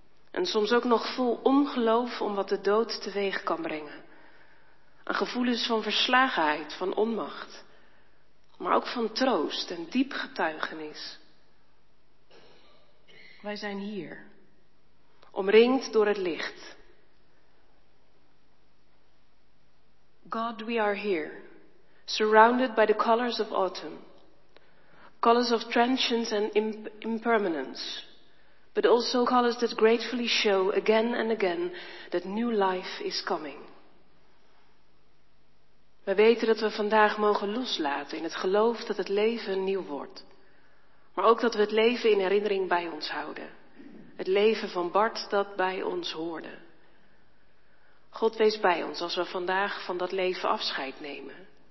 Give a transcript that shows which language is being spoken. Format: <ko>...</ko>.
<nl>En soms ook nog vol ongeloof om wat de dood teweeg kan brengen. Aan gevoelens van verslagenheid, van onmacht, maar ook van troost en diep getuigenis. Wij zijn hier, omringd door het licht.</nl> <en>God, we are here, surrounded by the colors of autumn, colors of transience and impermanence, but also colors that gratefully show again and again that new life is coming.</en> <nl>We weten dat we vandaag mogen loslaten in het geloof dat het leven nieuw wordt. Maar ook dat we het leven in herinnering bij ons houden. Het leven van Bart dat bij ons hoorde. God, wees bij ons als we vandaag van dat leven afscheid nemen.</nl>